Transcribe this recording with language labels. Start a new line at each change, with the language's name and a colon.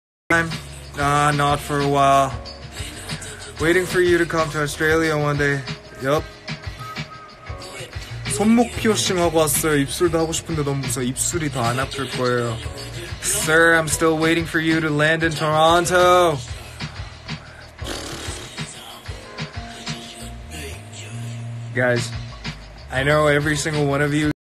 English: time. Nah, not for a while. Waiting for you to come to Australia one day. Yup.
Korean: 손목 피어싱 하고 왔어요. 입술도 하고 싶은데 너무 무서워. 입술이 더 안 아플 거예요.
English: Sir, I'm still waiting for you to land in Toronto. 가이즈, I know every single one of you.